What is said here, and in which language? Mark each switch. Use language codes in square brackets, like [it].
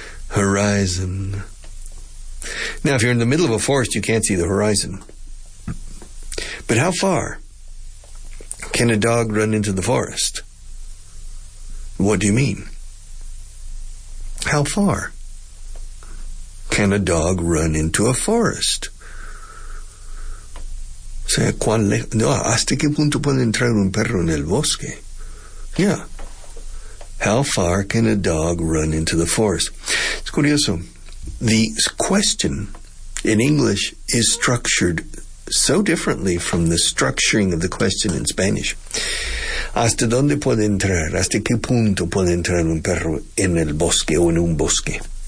[en] Horizon. Now, if you're in the middle of a forest, you can't see the horizon. But how far can a dog run into the forest? What do you mean? How far can a dog run into a forest? [es] ¿Hasta qué punto puede entrar un perro en el bosque? [en] Yeah. How far can a dog run into the forest? It's curioso. The question in English is structured so differently from the structuring of the question in Spanish. [es] ¿Hasta dónde puede entrar? ¿Hasta qué punto puede entrar un perro en el bosque o en un bosque?